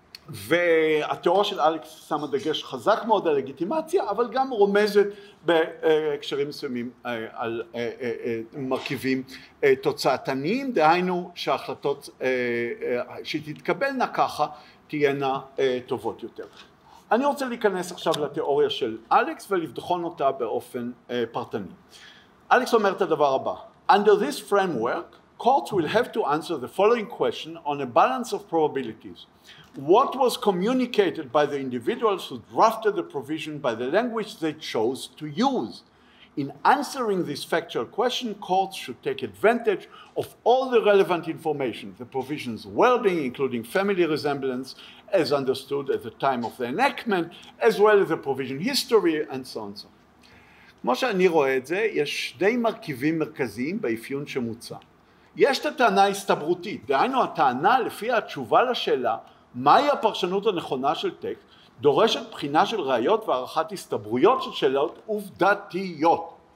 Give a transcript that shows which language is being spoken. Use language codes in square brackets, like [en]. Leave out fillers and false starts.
[he] והתיאוריה של אלכס שמה דגש חזק מאוד על לגיטימציה, אבל גם רומזת בהקשרים מסוימים על מרכיבים תוצאתניים, דהיינו שההחלטות שתתקבלנה ככה תהיינה טובות יותר. אני רוצה להיכנס עכשיו לתיאוריה של אלכס ולבחון אותה באופן פרטני. אלכס אומר את הדבר הבא: [en] Under this framework, courts will have to answer the following question on a balance of probabilities. What was communicated by the individuals who drafted the provision by the language they chose to use? In answering this factual question, courts should take advantage of all the relevant information, the provision's wording, including family resemblance, as understood at the time of the enactment, as well as the provision history, and so on. [he] כמו שאני רואה את זה, יש שני מרכיבים מרכזיים באפיון שמוצע. יש את הטענה ההסתברותית, דהיינו הטענה לפי התשובה לשאלה מהי הפרשנות הנכונה של טקסט, דורשת בחינה של ראיות והערכת הסתברויות של שאלות עובדתיות.